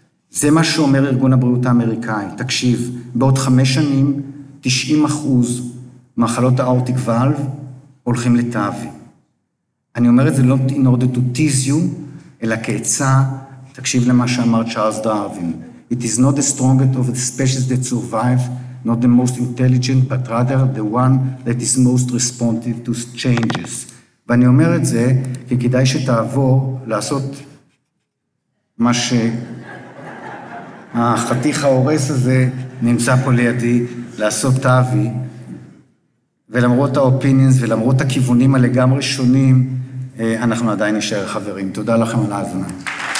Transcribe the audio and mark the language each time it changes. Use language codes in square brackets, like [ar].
[he] זה מה שאומר ארגון הבריאות האמריקאי. תקשיב, בעוד 5 שנים, 90% מחלות האורטיק ולב הולכים לתאווי. אני אומר את זה לא [en] in order to tease you, [he] אלא כעצה, תקשיב למה שאמר צ'ארלס דרווין. [en] It is not the strongest of the species that survive, not the most intelligent, but rather the one that is most responsive to changes. [he] ואני אומר את זה, כי כדאי שתעבור לעשות מה שהחתיך ההורס הזה נמצא פה לידי, לעשות תאווי, ולמרות האופיניאנס ולמרות הכיוונים הלגמרי שונים, אנחנו עדיין נשאר חברים. תודה לכם על ההזמנה.